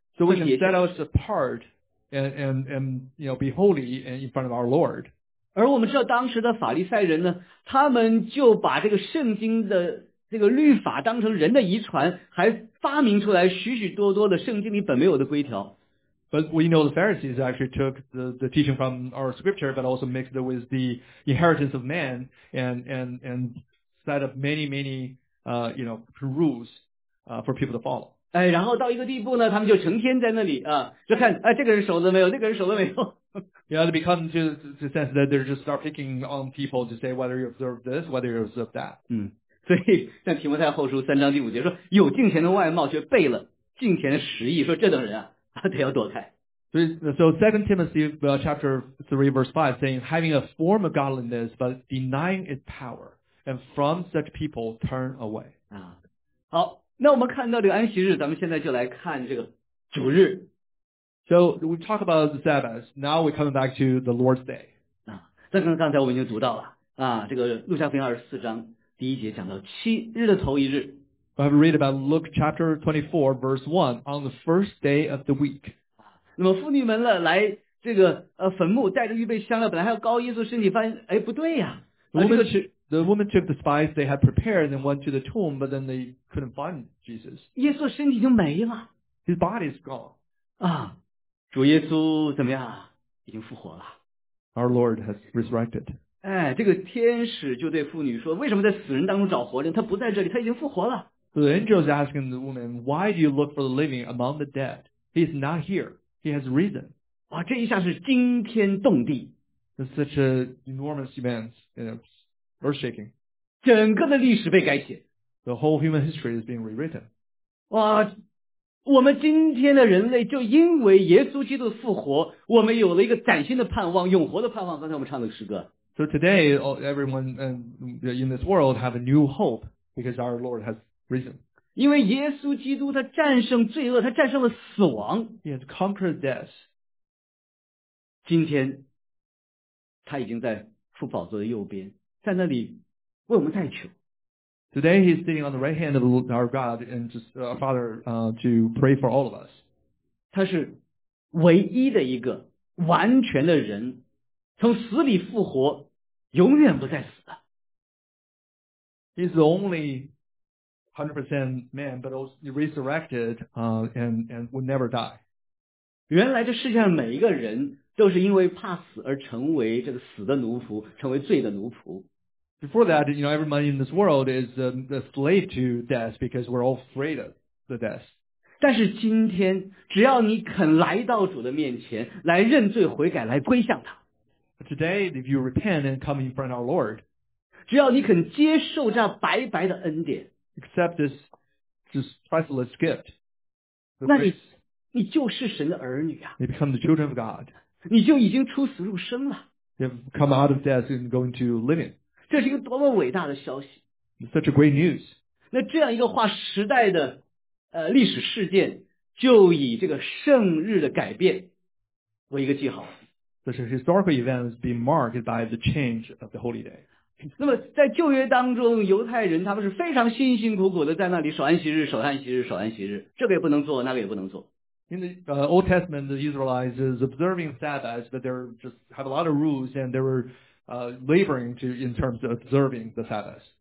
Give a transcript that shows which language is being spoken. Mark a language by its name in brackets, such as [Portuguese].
[English] So we can set us apart and you know, be holy in front of our Lord. [Chinese] 而我们知道当时的法利赛人呢，他们就把这个圣经的这个律法当成人的遗传，还发明出来许许多多的圣经里本没有的规条。 [English] But we know the Pharisees actually took the teaching from our scripture, but also mixed it with the inheritance of man and set up many, you know, rules, for people to follow. [Chinese] 哎，然后到一个地步呢，他们就成天在那里啊，就看哎，这个人守了没有，那个人守了没有。 [English] Yeah, they become to sense that they're just start picking on people to say whether you observe this, whether you observe that. [Chinese] 嗯，所以像提摩太后书三章第五节说，有敬虔的外貌却背了敬虔的实意，说这等人啊。得要躲开。 [English] So 2 Timothy chapter 3 verse 5 saying, having a form of godliness, but denying its power, and from such people turn away. [Chinese] 啊，好，那我们看到这个安息日，咱们现在就来看这个主日。 [English] So we talk about the Sabbath, now we come back to the Lord's Day. [Chinese] 啊，刚才我们已经读到了，啊，这个路加福音24章第一节讲到七日的头一日。 [English] I have read about Luke chapter 24 verse 1 on the first day of the week. [Chinese] 那么妇女们了来这个坟墓带着预备香料本来还要高耶稣身体发现哎不对呀、啊 [English] The woman took the spice they had prepared and went to the tomb but then they couldn't find Jesus. [Chinese] 耶稣身体就没了。 [English] His body is gone. [Chinese] 啊主耶稣怎么样已经复活了。 [English] Our Lord has resurrected. [Chinese] 哎，这个天使就对妇女说：“为什么在死人当中找活人？他不在这里，他已经复活了。” [English] The angel is asking the woman, "Why do you look for the living among the dead? He is not here. He has risen." [Chinese] 哇，这一下是惊天动地。 [English] It's such an enormous event, you know, earth-shaking. [Chinese] 整个的历史被改写。 [English] The whole human history is being rewritten. [Chinese] 哇，我们今天的人类就因为耶稣基督复活，我们有了一个崭新的盼望，永活的盼望。刚才我们唱的诗歌。 [English] So today, everyone in this world have a new hope because our Lord has risen. [Chinese] 因为耶稣基督他战胜罪恶，他战胜了死亡。 [English] He has conquered death. [Chinese] 今天他已经在父宝座的右边，在那里为我们代求。 [English] Today he's sitting on the right hand of our God and just our Father to pray for all of us. [Chinese] 他是唯一的一个完全的人。从死里复活，永远不再死的。 [English] He's the only 100% man, but also resurrected, and would never die. [Chinese] 原来这世界上每一个人都是因为怕死而成为这个死的奴仆，成为罪的奴仆。 [English] Before that, you know, everyone in this world is a slave to death because we're all afraid of the death. [Chinese] 但是今天，只要你肯来到主的面前，来认罪悔改，来归向他。 [English] Today, if you repent and come in front of our Lord, [Chinese] 只要你肯接受这白白的恩典 [English] accept this priceless gift, [Chinese] 那你就是神的儿女啊 [English] you become the children of God, [Chinese] 你就已经出死入生了 [English] you've come out of death and go into living, [Chinese] 这是一个多么伟大的消息 [English] such a great news, [Chinese] 那这样一个话时代的历史事件就以这个圣日的改变为一个记号。 [English] This historical event is being marked by the change of the holy day. [Chinese] 那么在旧约当中，犹太人他们是非常辛辛苦苦的在那里守安息日，守安息日，守安息日，这个也不能做，那个也不能做。 [English] In the Old Testament, the Israelites is observing Sabbath, but they just have a lot of rules, and they were laboring to in terms of observing the Sabbath.